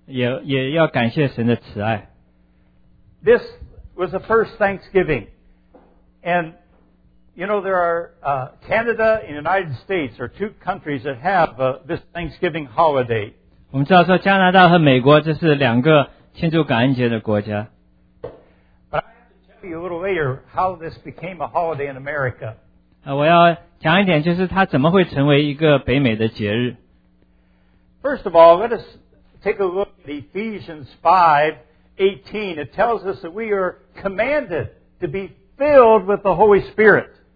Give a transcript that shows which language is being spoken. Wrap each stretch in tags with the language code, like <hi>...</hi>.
<zh>我们知道说在1621年，那是第一个感恩节，在那里要庆祝并感谢神，因为有一个丰收，也要感谢神的慈爱。</zh> <en>This was the first Thanksgiving. And, you know, there are Canada and the United States are two countries that have this Thanksgiving holiday.</en> <zh>我们知道说加拿大和美国这是两个庆祝感恩节的国家。</zh> <en>A little later, how this became a holiday in America.</en> <zh>我要讲一点，就是它怎么会成为一个北美的节日。</zh> <en>First of all, let us take a look at Ephesians 5:18. It tells us that we are commanded to be filled with the Holy Spirit.</en>